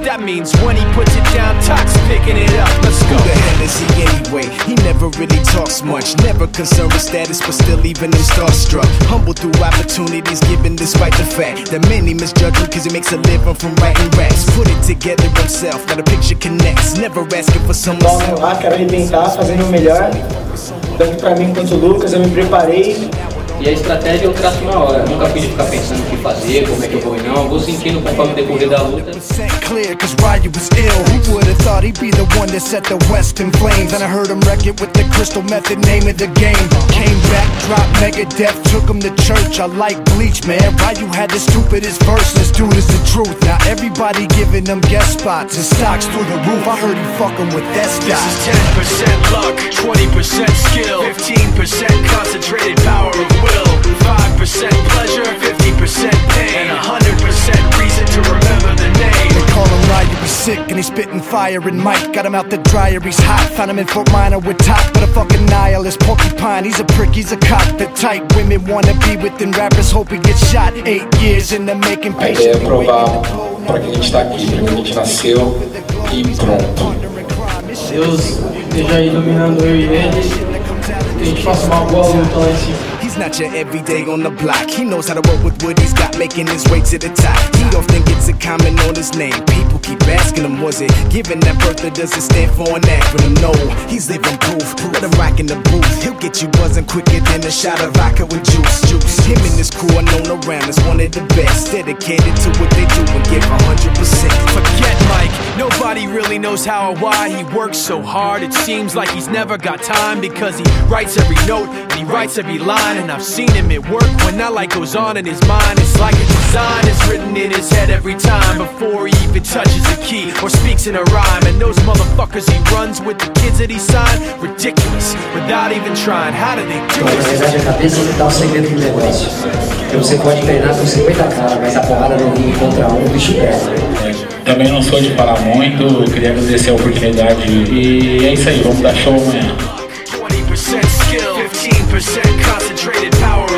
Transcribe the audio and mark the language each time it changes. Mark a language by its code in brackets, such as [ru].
[en] That means when he puts it down, Tox picking it up. Let's go. Who the hell is he anyway? He never really talks much, never concerned with status, but still even him starstruck. Humble through opportunities given despite the fact that many misjudge him 'cause he makes a living from writing raps. Put it together himself, got a picture connects. Never asking for someone. [pt] Bom, eu quero arrebentar fazendo o melhor. Tanto pra mim quanto o Lucas, eu me preparei. E a estratégia eu traço na hora. Nunca fiz de ficar pensando o que fazer, como é que eu vou ir, não. Vou sentindo conforme decorrer da luta. [en] Clear, 'cause Ryu was ill. Who would have thought he'd be the one that set the West in flames? And I heard him wreck it with the crystal method, name of the game. Came back, dropped Megadeth, took him to church. I like Bleach, man. Ryu had the stupidest verses, dude is the truth. Now everybody giving them guest spots and stocks through the roof. I heard he fucking with S-Dot. This is 10% luck, 20% skill, 15% concentrated power of will, 5% pleasure, 50% pain, and 100% reason to remember the name. Call him Ryu, he's sick and he's spitting fire and Mike. Got him out the dryer, he's hot. Found him in Fort Minor with top. But a fucking nihilist porcupine, he's a prick, he's a cop. The type women wanna be within rappers, hope he gets shot. 8 years in the making, patient. [pt] A ideia é provar pra quem a gente tá aqui, pra quem a gente nasceu e pronto. Deus esteja iluminando eu e ele. Que a gente faça uma boa luta lá em cima. [en] Not your everyday on the block. He knows how to work with what he's got, making his way to the top. He often gets a comment on his name. People keep asking him, was it giving that birth or does it stand for an acronym? No, he's living proof. Let him rock in the booth. He'll get you buzzing quicker than a shot of vodka with juice. Juice. Him and his crew are known around as one of the best. Dedicated to what they do and give 100%. Forget Mike. Nobody really knows how or why he works so hard. It seems like he's never got time because he writes every note and he writes every line. And I've seen him at work when that light goes on in his mind. It's like a design is written in his head every time before he even touches a key or speaks in a rhyme. And those motherfuckers he runs with the kids that he signed, ridiculous, without even trying. How do they do this? [pt] Na verdade, a cabeça que dá o segredo do negócio. Você pode treinar com 50 caras, mas a porrada não vem contra um bicho perto. Também não sou de parar muito, queria agradecer a oportunidade. E é isso aí, vamos dar show amanhã. [en] 20% skill, 15% concentrated power.